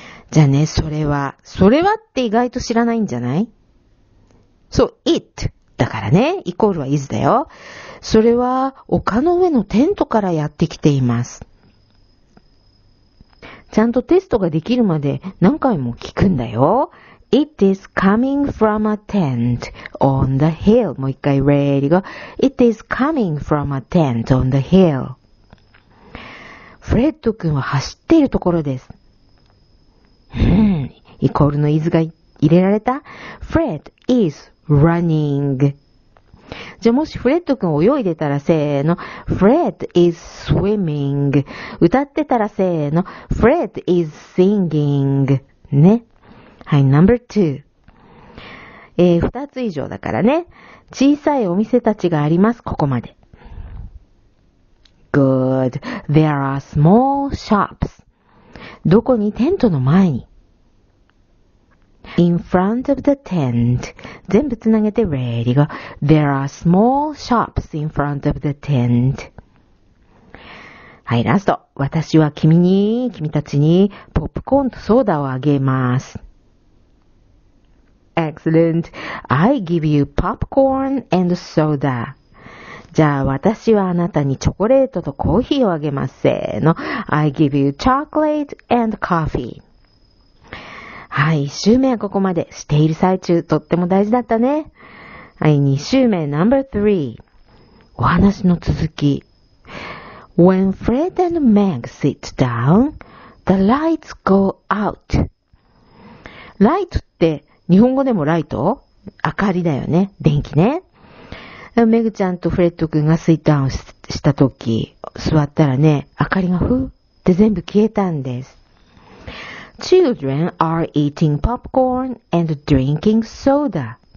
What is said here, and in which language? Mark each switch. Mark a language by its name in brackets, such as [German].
[Japanese] じゃあね、それはって意外と知らないんじゃない? そう、it だからね、イコールは is だよ。それは丘の上のテントからやってきています。ちゃんとテストができるまで何回も聞くんだよ。 [English] It is coming from a tent on the hill. [Japanese] もう一回 [English] ready go. It is coming from a tent on the hill. [Japanese] フレッド君は走っているところです。イコールのイズが入れられた。 [English] Fred is running. [Japanese] じゃあもしフレッド君泳いでたらせーの。 [English] Fred is swimming. [Japanese] 歌ってたらせーの。 [English] Fred is singing. ね。はい、number two. [Japanese] 二つ以上だからね。小さいお店たちがあります、ここまで。 [English] Good. There are small shops. [Japanese] どこに?テントの前に。 [English] In front of the tent. [Japanese] 全部つなげて [English] ready go. There are small shops in front of the tent. [Japanese] はい、ラスト。私は君たちに、ポップコーンとソーダをあげます。 [English] Excellent. I give you popcorn and soda. [Japanese] じゃあ、私はあなたにチョコレートとコーヒーをあげます。 [English] せーの。I give you chocolate and coffee. [Japanese] はい、一週目はここまで。している最中、とっても大事だったね。はい、二週目、Number 3。お話の続き。 [English] When Fred and Meg sit down, the lights go out. [Japanese] ライトって、日本語でもライト?明かりだよね。電気ね。メグちゃんとフレッド君がシットダウンした時、座ったらね、明かりがふーって全部消えたんです。 [English] Children are eating popcorn and drinking soda.